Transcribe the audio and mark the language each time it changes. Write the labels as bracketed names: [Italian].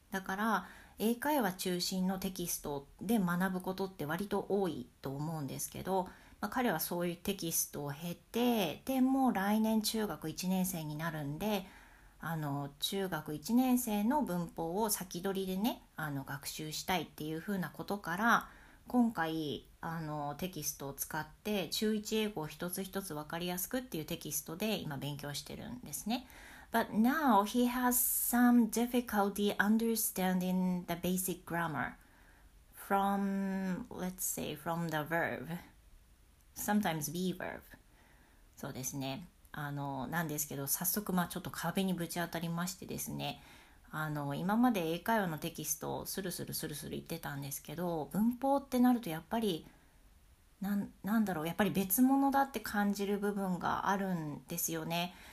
[Japanese] だから英会話中心のテキストで学ぶことって割と多いと思うんですけど、まあ、彼はそういうテキストを経て、でも来年中学1年生になるんで、中学1年生の文法を先取りでね、学習したいっていうふうなことから、今回テキストを使って中1英語を一つ一つ分かりやすくっていうテキストで今勉強してるんですね。 [English] But now he has some difficulty understanding the basic grammar from, let's say, from the verb. sometimes be verb。 [Japanese] そうですね、なんですけど早速まあちょっと壁にぶち当たりましてですね、今まで英会話のテキストをスルスルスルスル言ってたんですけど、文法ってなるとやっぱり なんだろうやっぱり別物だって感じる部分があるんですよね。